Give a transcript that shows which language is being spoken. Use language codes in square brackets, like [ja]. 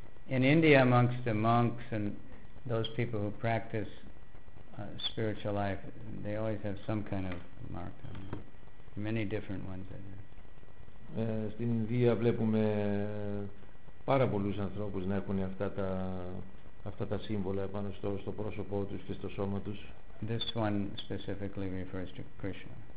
[en] In India, amongst the monks and those people who practice spiritual life, they always have some kind of mark on them. Many different ones. [el] Στην Ινδία βλέπουμε πάρα πολλούς ανθρώπους να έχουν αυτά τα σύμβολα επάνω στο πρόσωπό τους και στο σώμα τους. [en] This one specifically refers to Krishna.